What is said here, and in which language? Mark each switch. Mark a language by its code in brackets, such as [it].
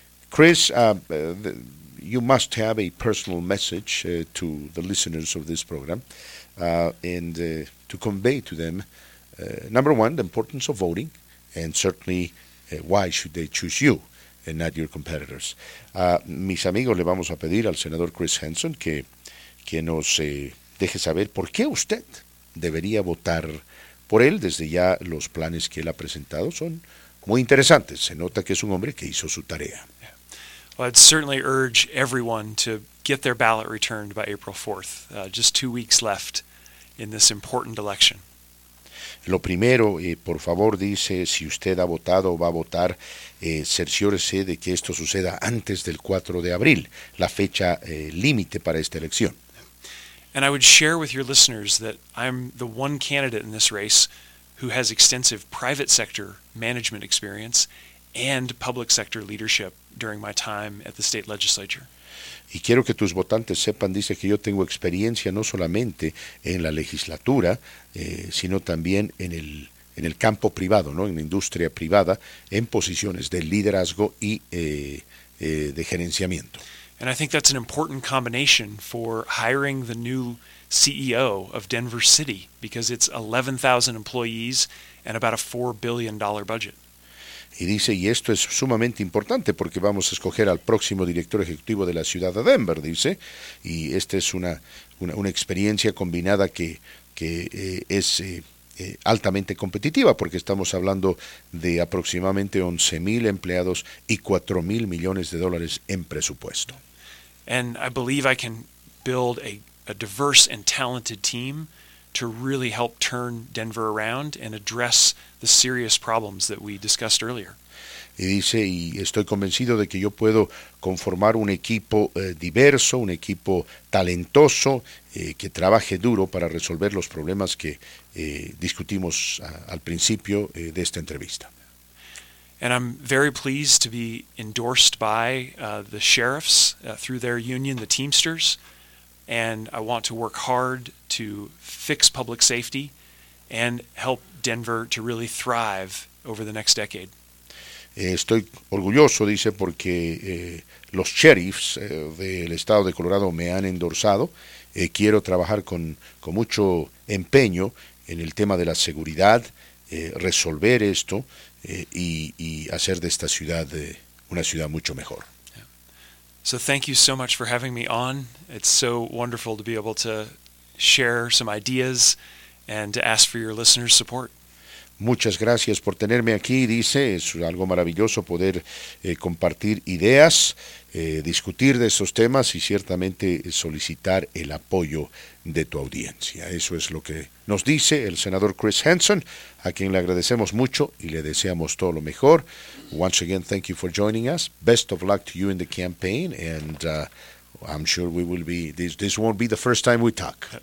[en] Chris, you must have a personal message to the listeners of this program and to convey to them. Number one, the importance of voting, and certainly why should they choose you and not your competitors. [es] Mis amigos, le vamos a pedir al senador Chris Hansen que nos deje saber por qué usted debería votar por él. Desde ya, los planes que él ha presentado son muy interesantes. Se nota que es un hombre que hizo su tarea. [en] Yeah. Well, I'd certainly urge everyone to get their ballot returned by April 4th. Just 2 weeks left in this important election. [es] Lo primero, por favor, dice, si usted ha votado o va a votar, cerciórese de que esto suceda antes del 4 de abril, la fecha límite para esta elección. [en] And I would share with your listeners that I'm the one candidate in this race who has extensive private sector management experience and public sector leadership during my time at the state legislature. [es] Y quiero que tus votantes sepan, dice, que yo tengo experiencia no solamente en la legislatura, sino también en el campo privado, ¿no? En la industria privada, en posiciones de liderazgo y de gerenciamiento. [en] And I think that's an important combination for hiring the new CEO of Denver City, because it's 11,000 employees and about a $4 billion budget. [es] Y dice, y esto es sumamente importante porque vamos a escoger al próximo director ejecutivo de la ciudad de Denver, dice, y esta es una experiencia combinada que es altamente competitiva porque estamos hablando de aproximadamente 11,000 empleados y $4 billion en presupuesto. [en] And I believe I can build a diverse and talented team to really help turn Denver around and address the serious problems that we discussed earlier. [es] Y dice, y estoy convencido de que yo puedo conformar un equipo diverso, un equipo talentoso, que trabaje duro para resolver los problemas que discutimos al principio de esta entrevista. [en] And I'm very pleased to be endorsed by the sheriffs through their union, the Teamsters. And I want to work hard to fix public safety and help Denver to really thrive over the next decade. [es] Estoy orgulloso, dice, porque los sheriffs del estado de Colorado me han endorsado. Quiero trabajar con mucho empeño en el tema de la seguridad, resolver esto y hacer de esta ciudad una ciudad mucho mejor. [en] So thank you so much for having me on. It's so wonderful to be able to share some ideas and to ask for your listeners' support. [es] Muchas gracias por tenerme aquí, dice. Es algo maravilloso poder compartir ideas, discutir de esos temas y ciertamente solicitar el apoyo de tu audiencia. Eso es lo que nos dice el senador Chris Hansen, a quien le agradecemos mucho y le deseamos todo lo mejor. [en] Once again, thank you for joining us. Best of luck to you in the campaign, and I'm sure we will be. This won't be the first time we talk.